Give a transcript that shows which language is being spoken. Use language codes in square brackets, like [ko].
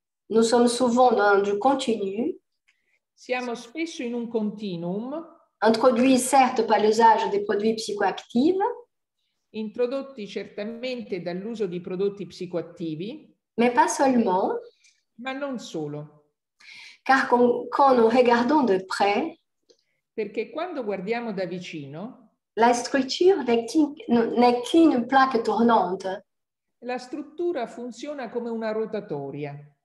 [fr] Nous sommes souvent dans du continu. [it] Siamo spesso in un continuum. [fr] Introduit certes par l'usage des produits psychoactifs. [it] Introdotti certamente dall'uso di prodotti psicoattivi. [fr] Mais pas seulement. [it] Ma non solo. [fr] Car quand nous regardons de près. [it] Perché quando guardiamo da vicino. [fr] La structure n'est qu'une plaque tournante. [it] La struttura funziona come una rotatoria.